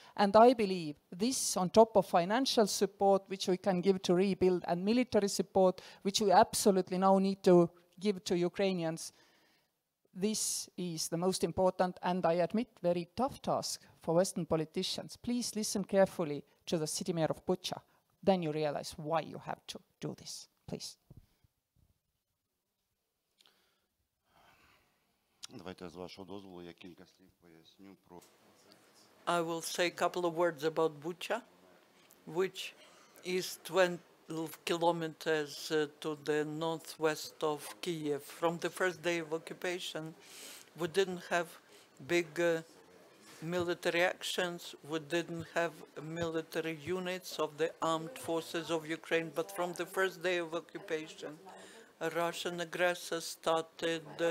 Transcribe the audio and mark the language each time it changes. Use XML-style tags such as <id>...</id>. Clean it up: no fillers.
<en>And I believe this, on top of financial support, which we can give to rebuild, and military support, which we absolutely now need to give to Ukrainians, this is the most important and, I admit, very tough task for Western politicians. Please listen carefully to the city mayor of Bucha. Then you realize why you have to do this. Please.</en> <uk>Давайте з вашого дозволу я кілька слів поясню про.</uk> <en>I will say a couple of words about Bucha, which is 20, kilometers to the northwest of Kyiv. From the first day of occupation, we didn't have big military actions, we didn't have military units of the armed forces of Ukraine, but from the first day of occupation, a Russian aggressor started</en>